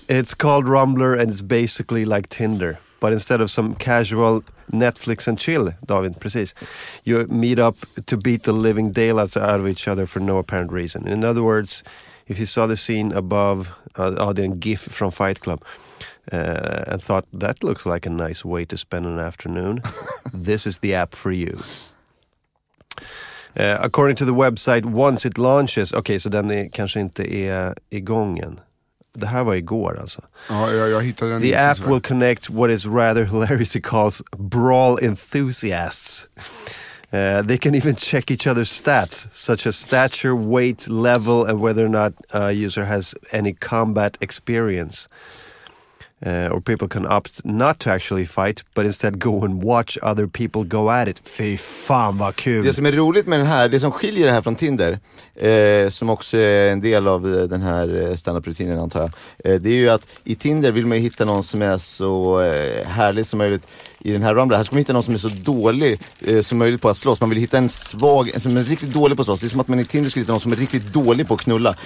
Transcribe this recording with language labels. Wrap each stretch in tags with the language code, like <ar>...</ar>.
<en>It's called Rumbler and it's basically like Tinder, but instead of some casual Netflix and chill, David,</en> <sv>precis,</sv> <en>you meet up to beat the living daylights out of each other for no apparent reason. In other words, if you saw the scene above, the GIF from Fight Club, and thought that looks like a nice way to spend an afternoon, this is the app for you. According to the website, once it launches, okay, so then it</en> <sv>kanske inte är igång än. Det här var igår alltså. Ja, jag hittade den.</sv> <en>The app will connect what is rather hilarious, it calls brawl enthusiasts. They can even check each other's stats, such as stature, weight, level, and whether or not a user has any combat experience. Or people can opt not to actually fight, but instead go and watch other people go at it.</en> <sv>Fy fan vad kul. Det som är roligt med den här, det som skiljer det här från Tinder, som också är en del av den här standardrutinen antar jag, det är ju att i Tinder vill man ju hitta någon som är så härlig som möjligt. I den här Rumble, här ska man hitta någon som är så dålig som möjligt på att slåss. Man vill hitta en svag, en som är riktigt dålig på att slåss. Det är som att man i Tinder skulle hitta någon som är riktigt dålig på att knulla.</sv>